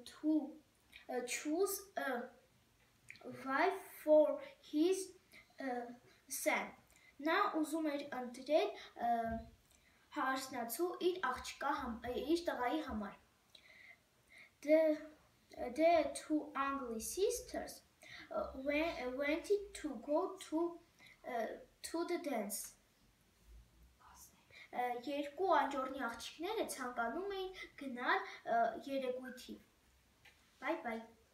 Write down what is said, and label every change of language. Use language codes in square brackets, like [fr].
[en] He wanted to choose a wife for his son. [hy] Նա ուզում էր ընտրել հարսնացու իր աղջկա իր տղայի համար. [en] The two ugly sisters wanted to go to the dance. [hy] Երկու անջորնի աղջիկները ցանկանում էին գնալ երեկույթի. [en] Bye bye.